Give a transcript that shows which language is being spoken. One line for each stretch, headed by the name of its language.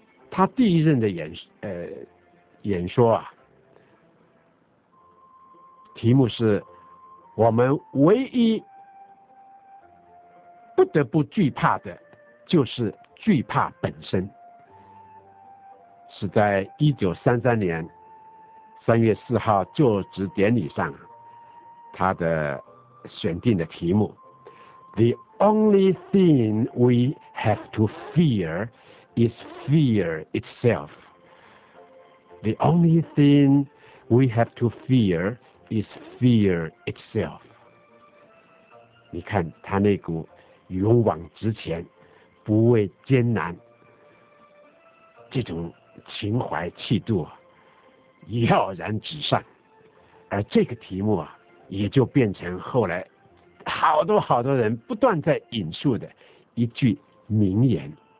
Chinese: 他第一任的演说啊，题目是我们唯一不得不惧怕的就是惧怕本身，是在1933年3月4号就职典礼上他的选定的题目。
English: The only thing we have to fear is fear itself. The only thing we have to fear is fear itself.
Chinese: 你看他那股勇往直前，不畏艰难，这种情怀气度耀然纸上，而这个题目啊，也就变成后来好多好多人不断在引述的一句名言。